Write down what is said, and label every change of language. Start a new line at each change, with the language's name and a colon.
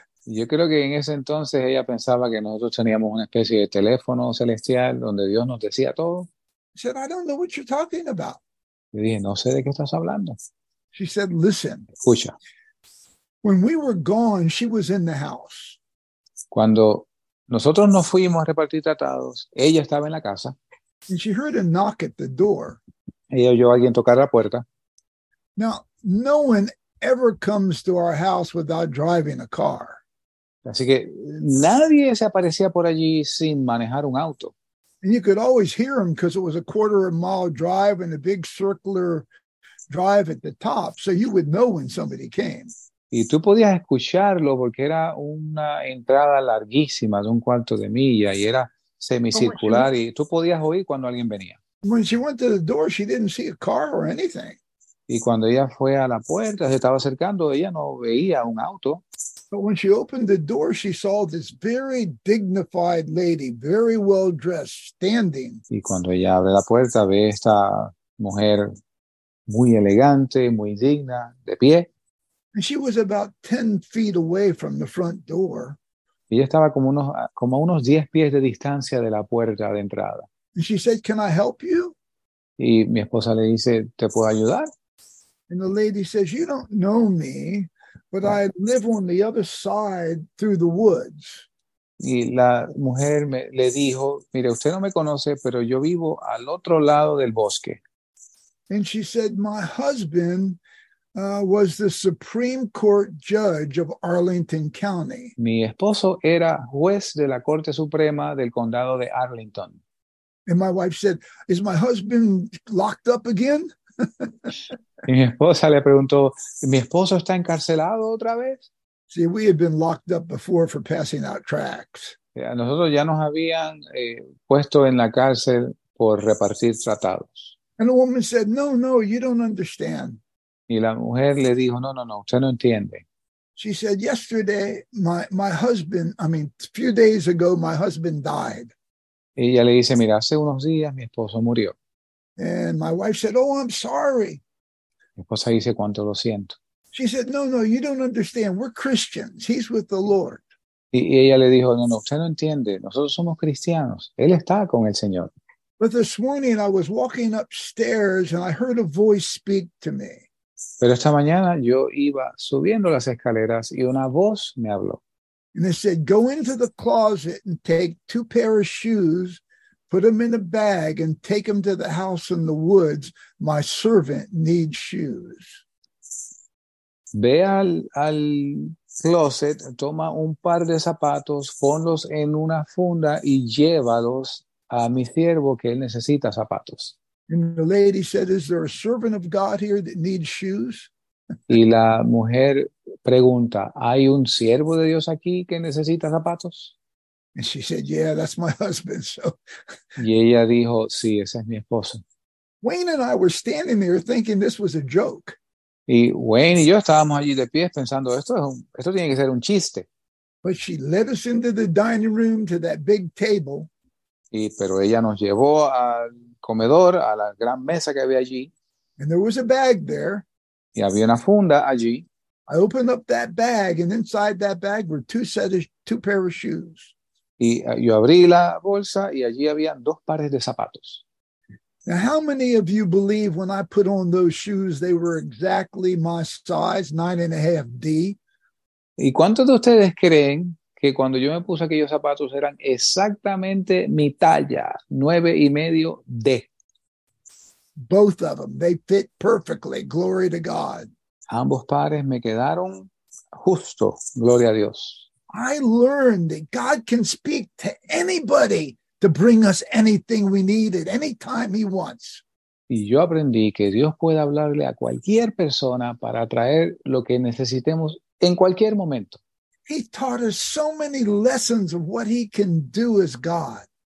Spanish: Yo creo que en ese entonces ella pensaba que nosotros teníamos una especie de teléfono celestial donde Dios nos decía todo.
English: She said, "I don't know what you're talking about."
Spanish: Yo dije, "No sé de qué estás hablando."
English: She said, "Listen."
Spanish: Escucha.
English: When we were gone, she was in the house.
Spanish: Cuando nosotros nos fuimos a repartir tratados, ella estaba en la casa.
English: And she heard a knock at the door.
Spanish: Ella oyó a alguien tocar la puerta.
English: Now, no one ever comes to our house without driving a car.
Spanish: Así que nadie se aparecía por allí sin manejar un auto.
English: And you could always hear him because it was a quarter of a mile drive and a big circular drive at the top. So you would know when somebody came.
Spanish: Y tú podías escucharlo porque era una entrada larguísima de un cuarto de milla y era semicircular y tú podías oír cuando alguien venía.
English: When she went to the door, she didn't see a car or anything.
Spanish: Y cuando ella fue a la puerta, se estaba acercando, ella no veía un auto.
English: But when she opened the door, she saw this very dignified lady, very well dressed, standing.
Spanish: Y cuando ella abre la puerta, ve esta mujer muy elegante, muy digna, de pie.
English: And she was about 10 feet away from the front door.
Spanish: Ella estaba como unos 10 pies de distancia de la puerta de entrada.
English: And she said, "Can I help you?"
Spanish: Y mi esposa le dice, "¿Te puedo ayudar?"
English: And the lady says, "You don't know me, but I live on the other side through the woods."
Spanish: Y la mujer le dijo, "Mire, usted no me conoce, pero yo vivo al otro lado del bosque."
English: And she said, "My husband was the Supreme Court judge of Arlington County."
Spanish: Mi esposo era juez de la Corte Suprema del condado de Arlington.
English: And my wife said, "Is my husband locked up again?"
Spanish: Y mi esposa le preguntó, "¿Mi esposo está encarcelado otra vez?"
English: See, we had been locked up before for passing out tracts.
Spanish: Nosotros ya nos habían puesto en la cárcel por repartir tratados.
English: And the woman said, "No, no, you don't understand."
Spanish: Y la mujer le dijo, no, usted no entiende.
English: She said, "Yesterday, a few days ago, my husband died."
Spanish: Y ella le dice, "Mira, hace unos días mi esposo murió."
English: And my wife said, "Oh, I'm sorry."
Spanish: Mi esposa dice, "Cuánto lo siento."
English: She said, no, you don't understand. We're Christians. He's with the Lord."
Spanish: Y ella le dijo, no, usted no entiende. Nosotros somos cristianos. Él está con el Señor.
English: But this morning, I was walking upstairs and I heard a voice speak to me.
Spanish: Pero esta mañana yo iba subiendo las escaleras y una voz me habló.
English: And it said, "Go into the closet and take two pair of shoes, put them in a bag and take them to the house in the woods. My servant needs shoes."
Spanish: Ve al closet, toma un par de zapatos, ponlos en una funda y llévalos a mi siervo que él necesita zapatos.
English: And the lady said, "Is there a servant of God here that needs shoes?"
Spanish: Y la mujer Pregunta, ¿hay un siervo de Dios aquí que necesita zapatos?
English: And she said, yeah, that's my husband. So,
Spanish: y ella dijo, sí, ese es mi esposo.
English: Wayne and I were standing there thinking this was a joke.
Spanish: Y Wayne y yo estábamos allí de pie pensando, esto tiene que ser un chiste.
English: But she led us into the dining room to that big table.
Spanish: Y pero ella nos llevó al comedor, a la gran mesa que había allí.
English: And there was a bag there.
Spanish: Y había una funda allí.
English: I opened up that bag, and inside that bag were two pair of shoes.
Spanish: Y yo abrí la bolsa y allí habían dos pares de zapatos.
English: Now, how many of you believe when I put on those shoes, they were exactly my size, 9.5D?
Spanish: ¿Y cuántos de ustedes creen que cuando yo me puse aquellos zapatos eran exactamente mi talla, 9.5D?
English: Both of them, they fit perfectly. Glory to God.
Spanish: Ambos pares me quedaron justo. Gloria a Dios.
English: I learned that God can speak to anybody to bring us anything we need at any time he wants.
Spanish: Y yo aprendí que Dios puede hablarle a cualquier persona para traer lo que necesitemos en cualquier momento.
English: He taught us so many lessons of what he can do as God.